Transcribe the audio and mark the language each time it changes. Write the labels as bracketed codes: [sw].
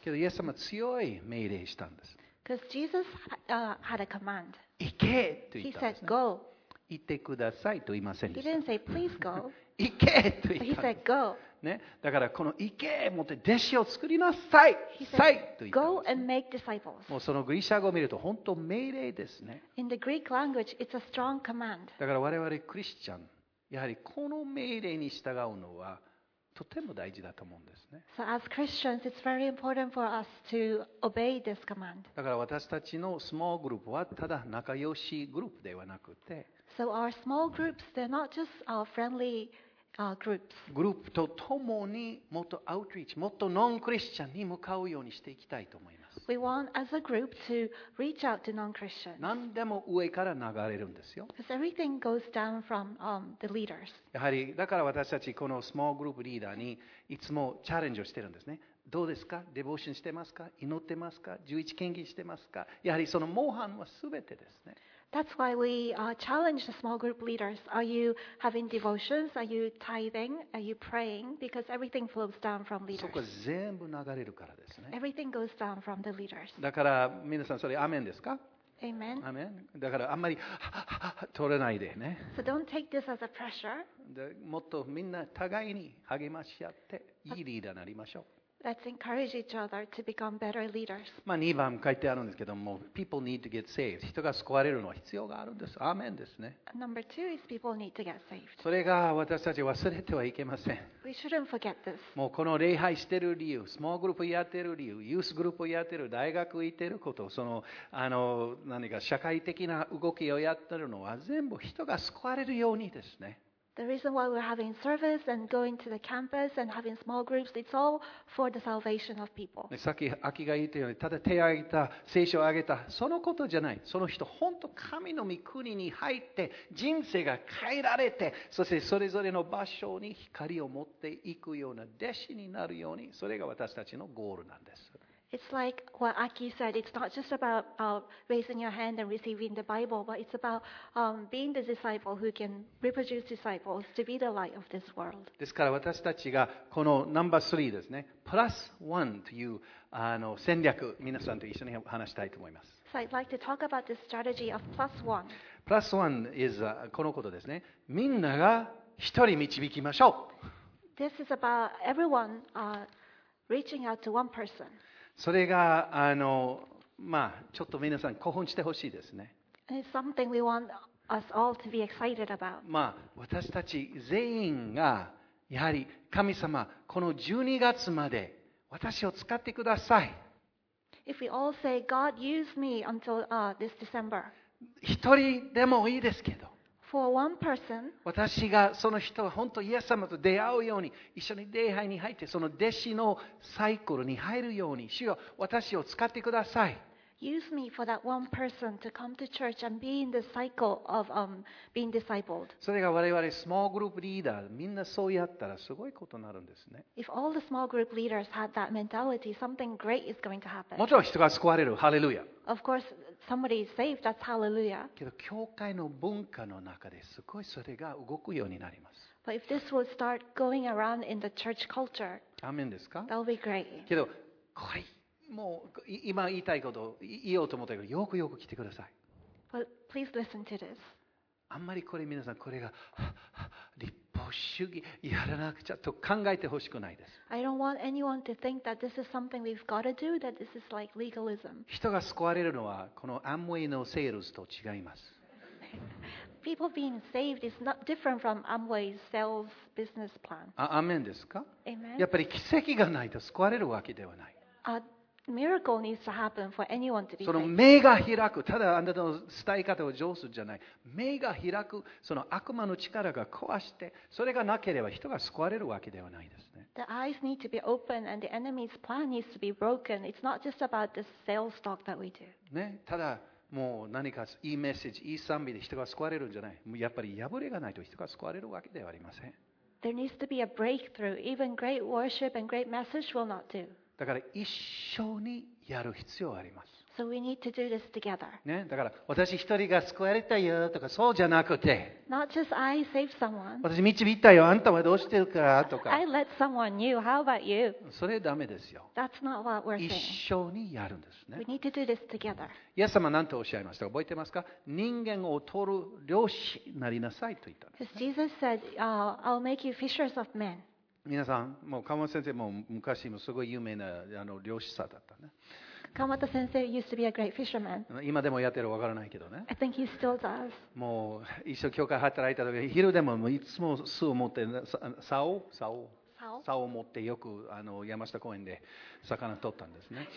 [ja] けどイエス様強い命令したんです。 [en] Because Jesus had a command. [ja] 行けと言ったんですね。 [en] He said, "Go." [ja] 行ってくださいと言いませんでした。 [en] He didn't say, "Please go." [ja] 行けと言ったんです。 [en] He said, "Go." [ja] ね、だからこの行け持って弟子を作りなさい、さいと言 [en] って、Go and make disciples。 [ja] もうそのギリシャ語を見ると本当命令ですね。 [en] In the Greek language, it's a strong command。 [ja] だから我々クリスチャン、やはりこの命令に従うのはとても大事だと思うんですね。 [en] So as Christians, it's very important for us to obey this command。 [ja] だから私たちのスモールグループはただ仲良しグループではなくて、 [en] So our small groups, they're not just our friendlygroups. [ja] グループとともにもっとアウトリーチ、もっとノンクリスチャンに向かうようにしていきたいと思います。 [en] We want as a group to reach out to non-Christians. [ja] 何でも上から流れるんですよ。 [en] Because everything goes down from the leaders. [ja] やはりだから私たちこのスモールグループリーダーにいつもチャレンジをしてるんですね。どうですか？デボーションしてますか？祈ってますか？十一献金してますか？やはりその模範はすべてですね。 [en] That's why we challenge the small group leaders. Are you having devotions? Are you tithing? Are you praying? Because everything flows down from leaders. [ja] そこ全部流れるからですね。 [en] Everything goes down from the leaders. [ja] だから皆さんそれアメンですか？ [en] Amen. Amen. [ja] だからあんまり取れないでね。 [en] So don't take this as a pressure. [ja] もっとみんな互いに励まし合っていいリーダーになりましょう。 [en] Let's encourage each other to become better leaders. [ja] まあ、2番書いてあるんですけども、 [en] People need to get saved. [ja] 人が救われるのは必要があるんです。アーメンですね。 [en] Number two is people need to get saved. [ja] それが私たち忘れてはいけません。 [en] We shouldn't forget this. [ja] もうこの礼拝してる理由、スモールグループやってる理由、ユースグループやってる、大学行ってること、その何か社会的な動きをやってるのは全部人が救われるようにですね。 [en] The reason why we're having service and going to the campus and having small groups, it's all for the salvation of people. [ja] さっき秋が言ったように、ただ手を挙げた、聖書を挙げた、そのことじゃない。その人、本当神の御国に入って、人生が変えられて、そしてそれぞれの場所に光を持っていくような弟子になるように、それが私たちのゴールなんです。 [en] It's like what Aki said. It's not just about raising your hand and receiving the Bible, but it's about being the disciple who can reproduce disciples to be the light of this world. [ja] ですから私たちがこのナンバー3ですね、プラス1という戦略、皆さんと一緒に話したいと思います。 [en] So I'd like to talk about the strategy of plus one. Plus one is [ja] このことですね。みんなが一人導きましょう。 [en] This is about everyone reaching out to one person. [ja] それがちょっと皆さん興奮してほしいですね。 [en] It's something we want us all to be excited about. [ja] まあ私たち全員がやはり神様この12月まで私を使ってください。 [en] If we all say God use me until this December. [ja] 一人でもいいですけど。 [en] For one person. [ja] 私がその人は本当イエス様と出会うように一緒に礼拝に入ってその弟子のサイクルに入るように主よ私を使ってください。 [en] Use me for that one person to come to church and be in the cycle of being discipled. [ja] それが我々スモールグループリーダーみんなそうやったらすごいことになるんですね。 [en] If all the small group leaders had that mentality, something great is going to happen. [ja] もちろん人が救われる、ハレルヤ。 [en] Of course, somebody is saved. That's hallelujah. [ja] けど教会の文化の中ですごいそれが動くようになります。 [en] But if this will start going around in the church culture, [ja] アメンですか？ [en] That'll be great. [ja] けどこれもう今言いたいこと言おうと思ったけどよくよく聞いてください。 [en] But please listen to this. [ja] あんまりこれ皆さんこれが立法主義やらなくちゃと考えてほしくないです。 [en] I don't want anyone to think that this is something we've got to do, that this is like legalism. [ja] 人が救われるのはこのアムウェイのセールスと違います。 [en] People being saved is not different from Amway's sales business plan. [ja] アメンですか？ [en] Amen. [ja] やっぱり奇跡がないと救われるわけではない。 [en] Miracle needs to happen for anyone to be. [ja] その目が開く、ただあなたの伝え方を上手じゃない。目が開く、その悪魔の力が壊して、それがなければ人が救われるわけではないですね。 [en] The eyes need to be open and the enemy's plan needs to be broken. It's not just about the sales talk that we do. [ja] ね、ただもう何かいいメッセージ、いい賛美で人が救われるんじゃない。もうやっぱり破れがないと人が救われるわけではありません。 [en] There needs to be a breakthrough. Even great worship and great message will not do. [ja] だから一緒にやる必要があります。 [en] So we need to do this together. [ja] ね、だから私一人が救われたよとかそうじゃなくて、 [en] Not just I save someone. [ja] 私導いたよ、あんたはどうしてるかとか。 [en] I let someone new. How about you? [ja] それダメですよ。 [en] That's not what we're saying. [ja] 一緒にやるんですね。 [en] We need to do this together. [ja] イエス様何とおっしゃいましたか？覚えてますか？人間を取る漁師になりなさいと言ったんです、ね。 [en] Because Jesus said, I'll make you fishers of men. [ja] 皆さん、もう鎌田先生も昔もすごい有名な漁師さんだったね。 [en] 鎌田先生 used to be a great fisherman. [ja] 今でもやってるわからないけどね。 [en] I think he still does. [ja] もう一生教会働いた時、昼でもいつも巣を持って、竿を持ってよく山下公園で魚取ったんですね。